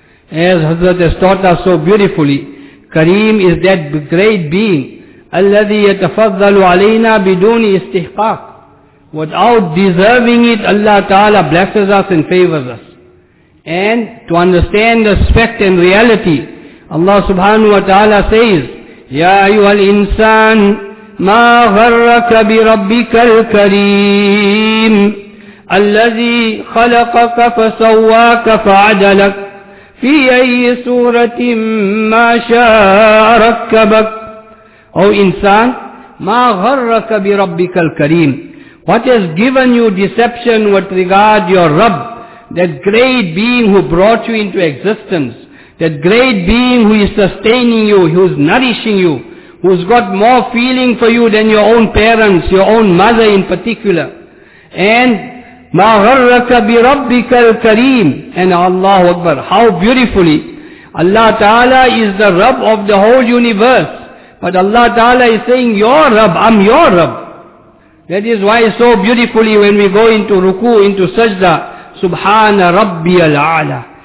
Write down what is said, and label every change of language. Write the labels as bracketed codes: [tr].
[en] As Hazrat has taught us so beautifully, Kareem is that great being, [ar] الَّذِي يَتَفَضَّلُ عَلَيْنَا بِدُونِ إِسْتِحْقَاقٍ. [en] Without deserving it, Allah Ta'ala blesses us and favors us. And to understand this fact and reality, Allah Subhanahu wa Ta'ala says, [ar] يَا أَيُّهَا الْإِنسَانِ مَا غَرَّكَ بِرَبِّكَ الْكَرِيمِ الَّذِي خَلَقَكَ فَسَوَّاكَ فَعَدَلَكَ في أي سورة ما شاء ركبك. أو إنسان، ما غرك بربك الكريم. [en] What has given you deception with regard your Rabb, that great being who brought you into existence, that great being who is sustaining you, who is nourishing you, who's got more feeling for you than your own parents, your own mother in particular. And [ar] ما غرك بربك الكريم. [en] And Allah Akbar, how beautifully Allah Ta'ala is the Rabb of the whole universe. But Allah Ta'ala is saying, your Rabb, I'm your Rabb. That is why so beautifully when we go into ruku, into sajda, Subhana Rabbi al-A'la.